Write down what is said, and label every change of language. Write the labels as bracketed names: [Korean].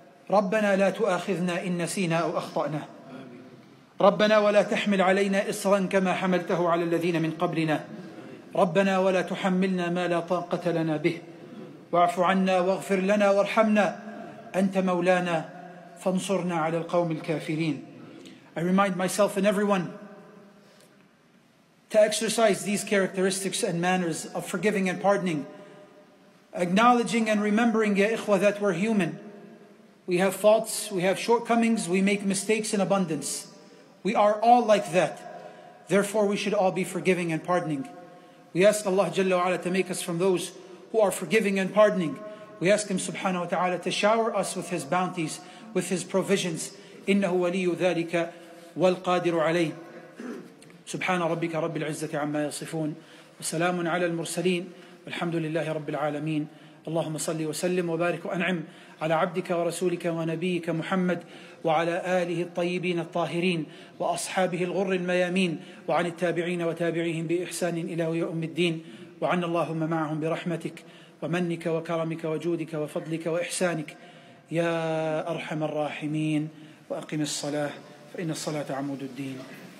[Arabic] ربنا لا تؤاخذنا إن نسينا أو أخطأنا، ربنا ولا تحمل علينا إصرا كما حملته على الذين من قبلنا، ربنا ولا تحملنا ما لا طاقة لنا به، واعف عنا واغفر لنا وارحمنا، أنت مولانا فانصرنا على القوم الكافرين. [English] I remind myself and everyone to exercise these characteristics and manners of forgiving and pardoning, acknowledging and remembering, ya ikhwa, that we're human. We have faults, we have shortcomings, we make mistakes in abundance. We are all like that. Therefore, we should all be forgiving and pardoning. We ask Allah Jalla wa Ala to make us from those who are forgiving and pardoning. We ask Him Subhanahu wa Ta'ala to shower us with His bounties, with His provisions. [Arabic] إِنَّهُ وَلِيُّ ذَلِكَ وَالْقَادِرُ عَلَيْهِ سُبْحَانَ رَبِّكَ رَبِّ الْعِزَّةِ عَمَّا يَصِفُونَ وَسَلَامٌ عَلَى الْمُرْسَلِينَ وَالْحَمْدُ لِلَّهِ رَبِّ الْعَالَمِينَ اللهم صلِّ وسلِّم وبارك وأنعم على عبدك ورسولك ونبيك محمد وعلى آله الطيبين الطاهرين وأصحابه الغر الميامين وعن التابعين وتابعيهم بإحسان إلى يوم الدين وعن اللهم معهم برحمتك ومنك وكرمك وجودك وفضلك وإحسانك يا أرحم الراحمين وأقم الصلاة فإن الصلاة عمود الدين.